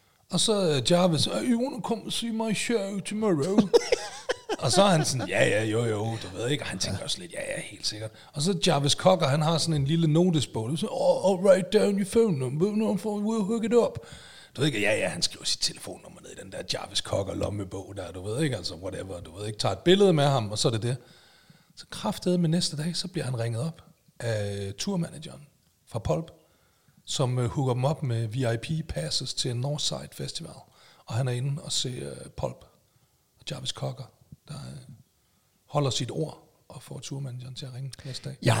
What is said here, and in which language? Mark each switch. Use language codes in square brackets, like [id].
[da] Og så [en] Jarvis, are you gonna come see my show tomorrow? [da] Og så er han sådan, ja, ja, jo, jo, du ved ikke. Og han tænker også lidt, ja, ja, helt sikkert. Og så Jarvis Cocker, han har sådan en lille notesbog. Så, [en] oh, I'll write down your phone number, and we'll hook it up. [da] Du ved ikke, ja, ja, han skriver sit telefonnummer ned i den der Jarvis Cocker lommebog der, du ved ikke, altså whatever, du ved ikke, tager et billede med ham, og så er det det. Så kraftedet med næste dag, så bliver han ringet op af tourmanageren fra Pulp, som hooker dem op med VIP passes til Northside Festival, og han er inde og ser Pulp og Jarvis Cocker, der holder sit ord og får tourmanageren til at ringe næste dag.